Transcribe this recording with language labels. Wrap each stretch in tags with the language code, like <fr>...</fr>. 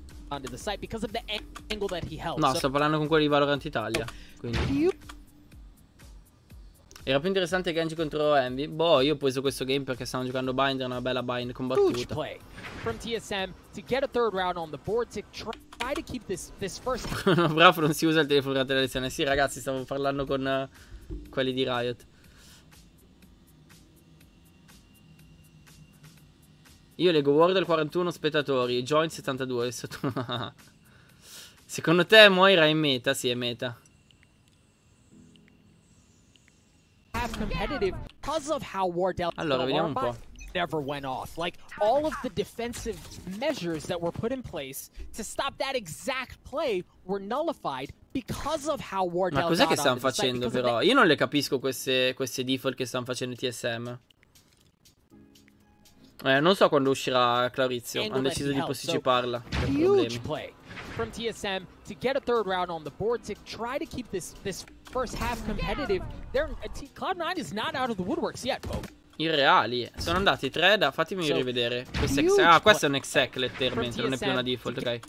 <en>onto the site because of the angle that he held.</en> <it>No, sto parlando con quello di Valorant Italia. Quindi era più interessante Genji contro Envy. Boh, io ho preso questo game perché stavano giocando Bind, era una bella Bind combattuta.</it> <en>From TSM to get a third round on the board to try to keep this first.</en> <it>Bravo, non si usa il telefono durante la lezione. Sì, ragazzi, stavo parlando con quelli di Riot. Io leggo World al 41 spettatori, Joint 72 sotto. Secondo te Moira è in meta? Sì, è meta.</it> <en>Competitive because of how Wardell.</en> <it>Allora, vediamo un po'.</it> <en>Never went off. Like all of the defensive measures that were put in place to stop that exact play were nullified because of how Wardell.</en> <it>Ma cos'è che stanno facendo però? Io non le capisco queste default che stanno facendo TSM. Non so quando uscirà Claurizio, hanno deciso di posticiparla.</it> <en>Huge play from TSM to get a third round on the board to try to keep this first half competitive. Cloud9 is not out of the woodworks yet, folks.</en> <it>Irreali. Sono andati tre da. Fatemi rivedere. Questo è un exec letteralmente, non è più una default, ok.</it>